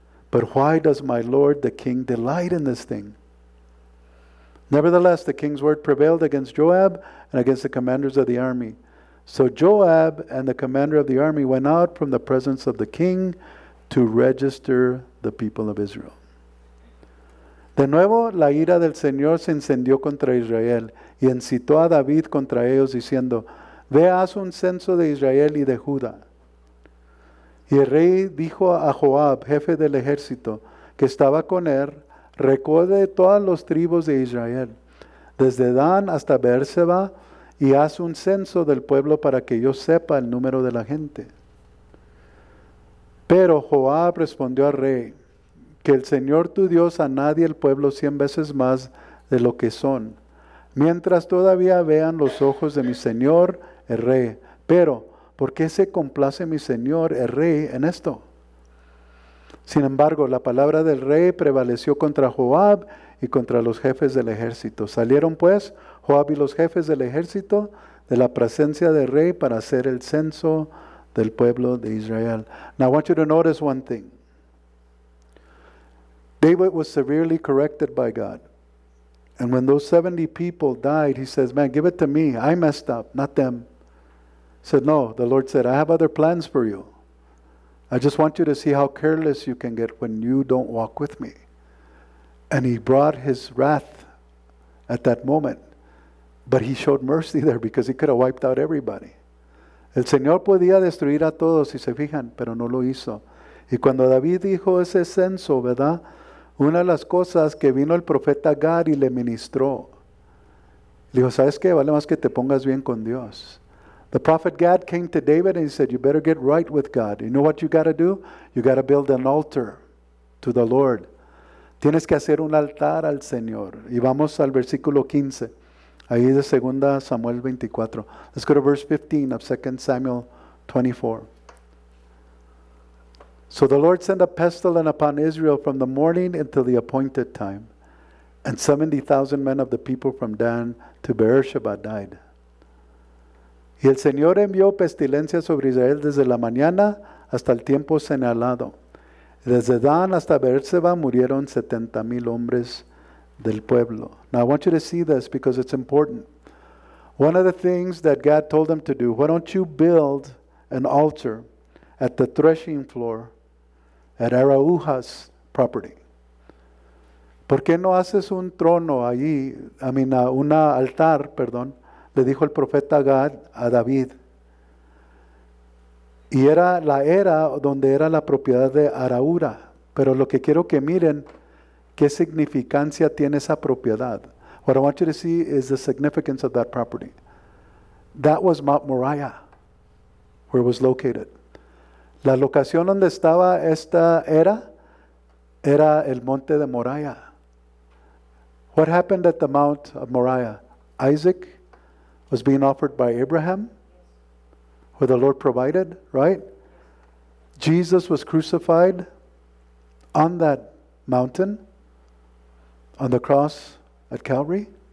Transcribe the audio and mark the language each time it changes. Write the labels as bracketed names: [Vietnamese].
[English] But why does my lord the king delight in this thing? Nevertheless, the king's word prevailed against Joab and against the commanders of the army. So Joab and the commander of the army went out from the presence of the king to register the people of Israel. [Spanish] De nuevo, la ira del Señor se encendió contra Israel y incitó a David contra ellos, diciendo, ve, haz un censo de Israel y de Judá. Y el rey dijo a Joab, jefe del ejército, que estaba con él, recorre todas las tribus de Israel, desde Dan hasta Beerseba, y haz un censo del pueblo para que yo sepa el número de la gente. Pero Joab respondió al rey, que el Señor tu Dios añada al pueblo 100 veces más de lo que son, mientras todavía vean los ojos de mi señor el rey. Pero, ¿por qué se complace mi señor, el rey, en esto? Sin embargo, la palabra del rey prevaleció contra Joab y contra los jefes del ejército. Salieron pues Joab y los jefes del ejército de la presencia del rey para hacer el censo del pueblo de Israel. [English] Now I want you to notice one thing. David was severely corrected by God. And when those 70 people died, he says, man, give it to me. I messed up, not them. Said, no, the Lord said, I have other plans for you. I just want you to see how careless you can get when you don't walk with me. And he brought his wrath at that moment. But he showed mercy there because he could have wiped out everybody. [Spanish] El Señor podía destruir a todos, si se fijan, pero no lo hizo. Y cuando David dijo ese censo, ¿verdad? Una de las cosas que vino el profeta Gad y le ministró. Le dijo, ¿sabes qué? Vale más que te pongas bien con Dios. [English] The prophet Gad came to David and he said, you better get right with God. You know what you got to do? You got to build an altar to the Lord. [Spanish] Tienes que hacer un altar al Señor. Y vamos al versículo 15. Ahí de 2 Samuel 24. [English] Let's go to verse 15 of 2 Samuel 24. So the Lord sent a pestilence upon Israel from the morning until the appointed time. And 70,000 men of the people from Dan to Beersheba died. [Spanish] Y el Señor envió pestilencia sobre Israel desde la mañana hasta el tiempo señalado. Desde Dan hasta Beersheba murieron 70,000 hombres del pueblo. [English] Now I want you to see this because it's important. One of the things that God told them to do, why don't you build an altar at the threshing floor at Arauha's property? [Spanish] ¿Por qué no haces un trono allí? [English] I mean, [Spanish] un altar, le dijo el profeta Gad a David. Y era la era donde era la propiedad de Araura. Pero lo que quiero que miren, ¿qué significancia tiene esa propiedad? [English] What I want you to see is the significance of that property. That was Mount Moriah, where it was located. [Spanish] La locación donde estaba esta era, era el monte de Moriah. [English] What happened at the Mount of Moriah? Isaac was being offered by Abraham, who the Lord provided, right? Jesus was crucified on that mountain, on the cross at Calvary.